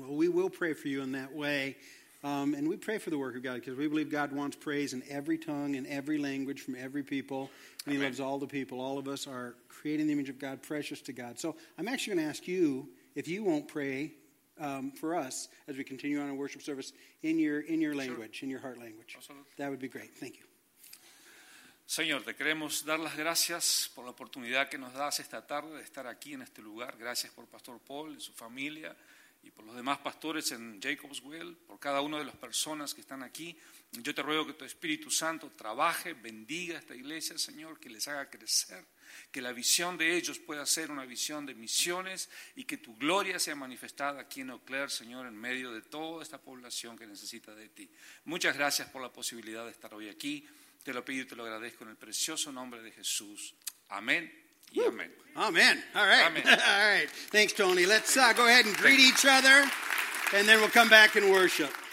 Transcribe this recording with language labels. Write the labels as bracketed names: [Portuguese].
[English] Well, we will pray for you in that way. And we pray for the work of God because we believe God wants praise in every tongue, in every language, from every people. And Amen. He loves all the people. All of us are creating the image of God, precious to God. So I'm actually going to ask you if you won't pray for us as we continue on our worship service in your language, sure. In your heart language. Absolutely. That would be great. Thank you. [Spanish] Señor, te queremos dar las gracias por la oportunidad que nos das esta tarde de estar aquí en este lugar. Gracias por Pastor Paul y su familia y por los demás pastores en Jacobsville, por cada una de las personas que están aquí. Yo te ruego que tu Espíritu Santo trabaje, bendiga esta iglesia, Señor, que les haga crecer, que la visión de ellos pueda ser una visión de misiones y que tu gloria sea manifestada aquí en Eau Claire, Señor, en medio de toda esta población que necesita de ti. Muchas gracias por la posibilidad de estar hoy aquí. Te lo pido y te lo agradezco en el precioso nombre de Jesús. Amén y amén. [English] Amén. All right. Amen. All right. Thanks, Tony. Let's go ahead and greet each other, and then we'll come back and worship.